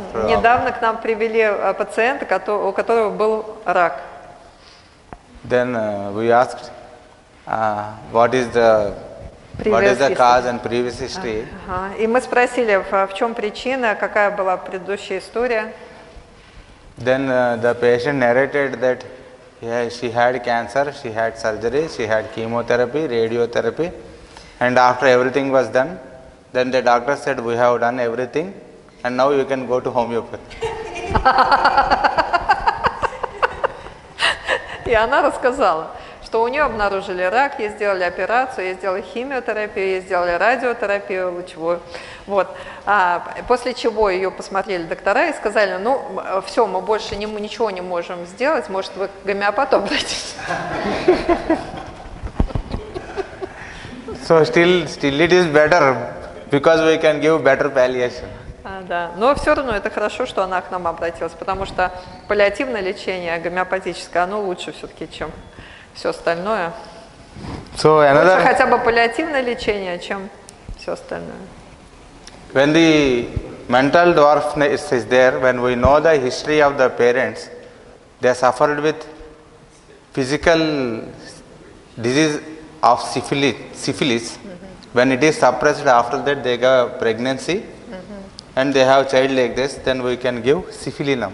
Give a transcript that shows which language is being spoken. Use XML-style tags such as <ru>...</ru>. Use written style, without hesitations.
<ru>недавно к нам привели пациента, у которого был рак.</ru> <en>Then we asked, what is the cause and previous history?</en> <ru>И мы спросили, в чем причина, какая была предыдущая история.</ru> <en>Then the patient narrated that she had cancer, she had surgery, she had chemotherapy, radiotherapy, and after everything was done, then the doctor said, we have done everything. And now you can go to homeopath.</en> <ru>И она рассказала, что у нее обнаружили рак, ей сделали операцию, ей сделали химиотерапию, ей сделали радиотерапию лучевую. Вот. А после чего ее посмотрели доктора и сказали, ну, все, мы больше ничего не можем сделать, может, вы к гомеопату обратитесь.</ru> <en>So still it is better, because we can give better palliation.</en> <ru>Да, но все равно это хорошо, что она к нам обратилась, потому что паллиативное лечение гомеопатическое, оно лучше все-таки, чем все остальное.</ru> <en>So another...</en> <ru>Это хотя бы паллиативное лечение, чем все остальное.</ru> <en>When the mental dwarfness is there, when we know the history of the parents, they suffered with physical disease of syphilis. Mm-hmm. When it is suppressed, after that they got pregnancy. And they have child like this, then we can give syphilinum.</en>